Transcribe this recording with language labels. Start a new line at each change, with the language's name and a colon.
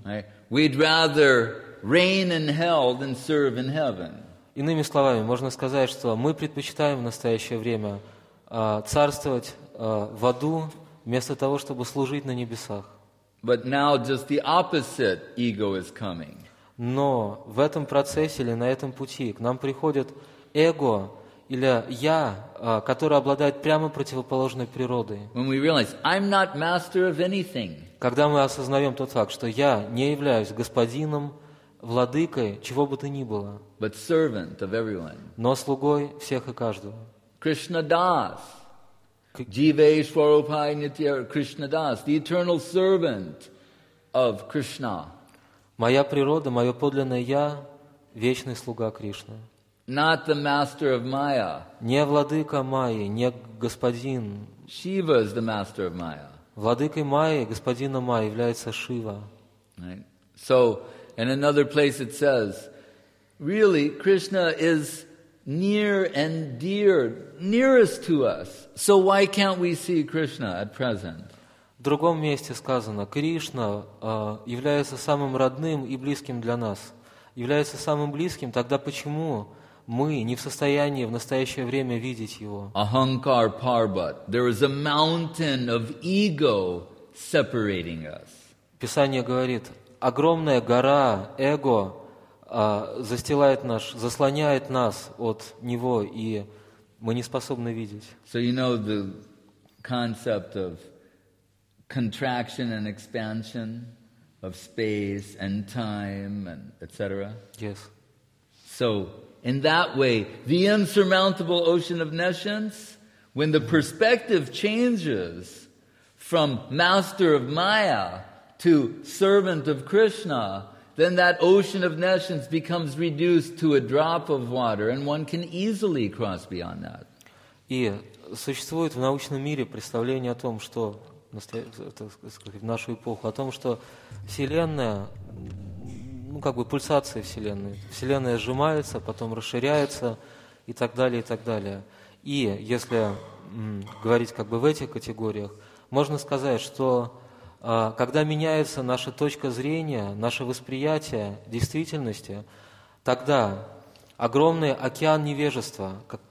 English: Right. We'd rather reign in hell than serve in heaven.
Russian: Иными словами, можно сказать, что мы предпочитаем в настоящее время царствовать в аду, вместо того, чтобы служить на небесах.
English: But now just the opposite ego is coming.
Russian: Но в этом процессе или на этом пути к нам приходит эго или я, которое обладает прямо противоположной природой.
English: When we realize, I'm not master of anything.
Russian: Когда мы осознаем тот факт, что я не являюсь господином, владыкой чего бы то ни было,
English: but servant of everyone.
Russian: Но слугой всех и каждого.
Sanskrit: Krishna Das. Jiveshwaropai Nityar Krishna Das,
English: the eternal servant of Krishna.
Russian: Моя природа, мое подлинное я, вечный слуга Кришны.
English: Not the master of Maya.
Russian: Не владыка Майи, не господин.
English: Shiva is the master of Maya.
Russian: Владыкой Майи, господином Майи является Шива.
English: Right. So, in another place it says, really, Krishna is near and dear, nearest to us. So why can't we see Krishna at present?
Russian: В другом месте сказано, Кришна является самым родным и близким для нас. Является самым близким, тогда почему мы не в состоянии в настоящее время видеть его?
Sanskrit: Ahankar Parbat.
English: There is a mountain of ego separating us.
Russian: Писание говорит, огромная гора эго застилает наш, заслоняет нас от него, и мы не способны видеть.
English: So you know the concept of contraction and expansion of space and time and etc. Yes. So in that way, the insurmountable ocean of nescience, when the perspective changes from master of Maya to servant of Krishna, then that ocean of nations becomes reduced to a drop of water, and one can easily cross beyond that.
Russian: И существует в научном мире представление о том, что в нашу эпоху о том, что вселенная, ну как бы пульсация вселенной, вселенная сжимается, потом расширяется и так далее, и так далее. И если говорить как бы в этих категориях, можно сказать, что когда меняется наша точка зрения, наше восприятие действительности, тогда огромный океан невежества,